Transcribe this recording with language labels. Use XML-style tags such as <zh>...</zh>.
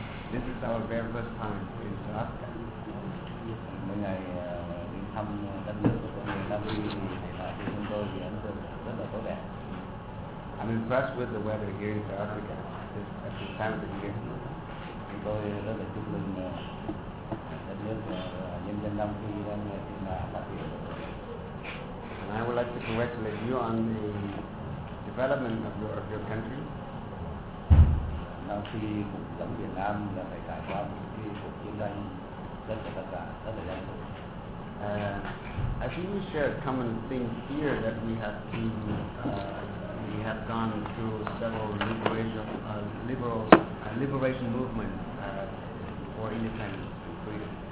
<en>This is our very first time in South Africa.</en> <vi>Mỗi ngày đi thăm đất nước của người Nam Phi thì để chúng tôi thì ấn tượng rất là tốt đẹp.</vi> <en>I'm impressed with the weather here in South Africa at this time of the year.</en> <vi>Chúng tôi rất là chúc mừng đất nước nhân dân Nam Phi đang thì là phát triển.</vi> <en>I would like to congratulate you on the development of your country.</en> <vi>Nam Phi cũng giống Việt Nam là phải trải qua một cái cuộc chiến tranh</vi> <en>I think we share a common thing here that we have been we have gone through several liberation movements for independence and freedom.</en>